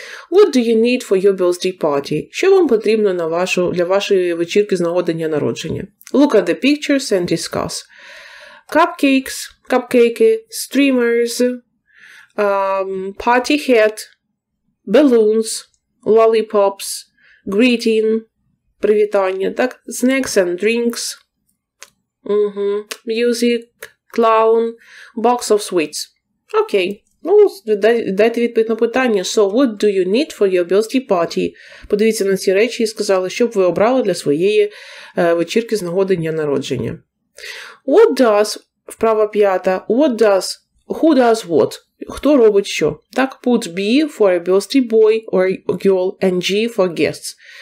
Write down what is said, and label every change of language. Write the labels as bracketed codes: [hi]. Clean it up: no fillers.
[en] What do you need for your birthday party? [uk] Що вам потрібно на вашу, для вашої вечірки з нагодення народження? [en] Look at the pictures and discuss. Cupcakes, cupcakes, streamers, party hat, balloons, lollipops, greeting, [uk] привітання, так? [en] Snacks and drinks, music, clown, box of sweets. Okay. [uk] Ну, дайте відповідь на питання. [en] So, what do you need for your birthday party? [uk] Подивіться на ці речі і сказали, що б ви обрали для своєї вечірки з нагоди дня народження. [en] What does, [uk] вправа п'ята, [en] what does, who does what? [uk] Хто робить що? [en] Так, put B for a birthday boy or girl and G for guests.